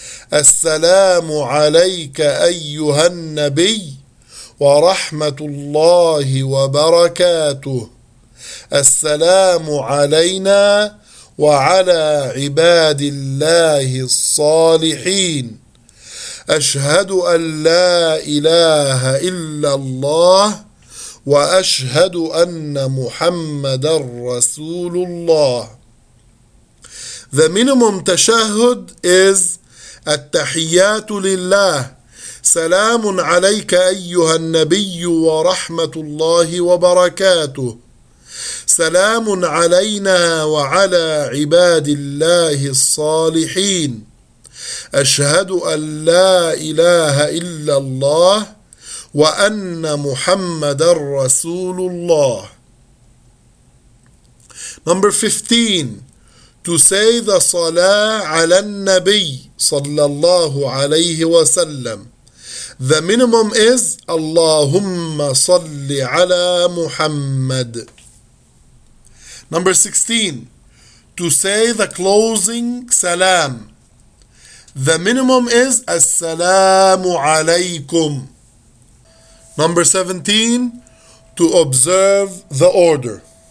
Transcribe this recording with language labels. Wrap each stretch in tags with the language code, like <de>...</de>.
<ar>as-salamu alayka ayyuhan nabi, wa rahmatullahi wa barakatuh, as-salamu alayna وعلى عباد الله الصالحين أشهد أن لا إله إلا الله وأشهد أن محمد رسول الله.</ar> <en>The minimum</en> <ar>تشهد is التحيات لله سلام عليك أيها النبي ورحمة الله وبركاته سلام علينا وعلى عباد الله الصالحين أشهد أن لا إله إلا الله وأن محمد رسول الله.</ar> <en>Number 15, to say the Salah على النبي صلى الله عليه وسلم. The minimum is اللهم صل على محمد. Number 16, to say the closing salam. The minimum is assalamu alaykum. Number 17, to observe the order.</en>